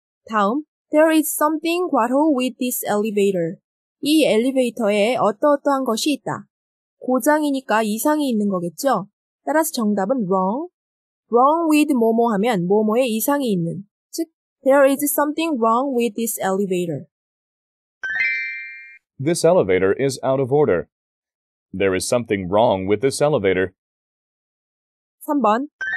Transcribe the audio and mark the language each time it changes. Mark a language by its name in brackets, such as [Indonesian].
[Korean] 다음, [English] there is something quarrel with this elevator. [Korean] 이 엘리베이터에 어떠어떠한 것이 있다. 고장이니까 이상이 있는 거겠죠? 따라서 정답은 wrong. Wrong with 뭐뭐 하면 뭐뭐에 이상이 있는. 즉, [English] there is something wrong with this elevator. This elevator is out of order. There is something wrong with this elevator. [Korean] 3번